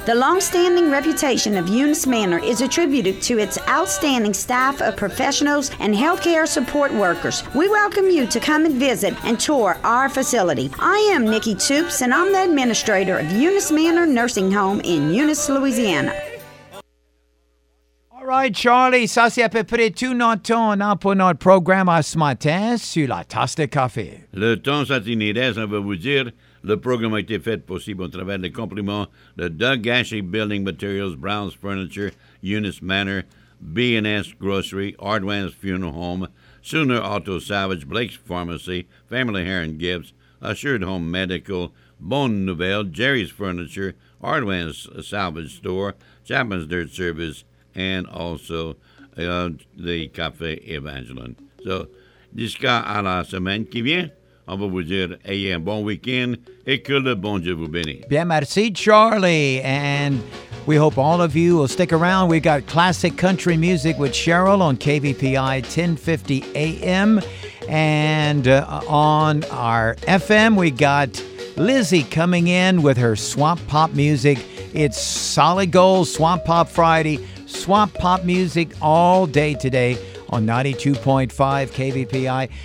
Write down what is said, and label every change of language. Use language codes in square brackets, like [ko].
[en] The long-standing reputation of Eunice Manor is attributed to its outstanding staff of professionals and healthcare support workers. We welcome you to come and visit and tour our facility. I am Nikki Toops, and I'm the administrator of Eunice Manor Nursing Home in Eunice, Louisiana. All right, [fr] Charlie, ça c'est à peu près tout notre temps pour notre programme à ce matin sur la tasse de café. Le temps s'attinirait, ça veut vous dire, le programme a été fait possible au travers des compliments de Doug Gashy Building Materials, Brown's Furniture, Eunice Manor, B&S Grocery, Ardwan's Funeral Home, Sooner Auto Salvage, Blake's Pharmacy, Family Hair and Gifts, Assured Home Medical, Bon Nouvelle, Jerry's Furniture, Ardwan's Salvage Store, Chapman's Dirt Service, [en] and also [fr] the Café Evangeline. So, jusqu'à à la semaine qui vient, on va vous dire ayez un bon week-end et que le bon Dieu vous bénisse. Bien, merci, [en] Charlie, and we hope all of you will stick around. We've got classic country music with Cheryl on KVPI 1050 AM. And on our FM, we got Lizzie coming in with her Swamp Pop music. It's solid gold, Swamp Pop Friday, Swamp Pop music all day today on 92.5 KVPI.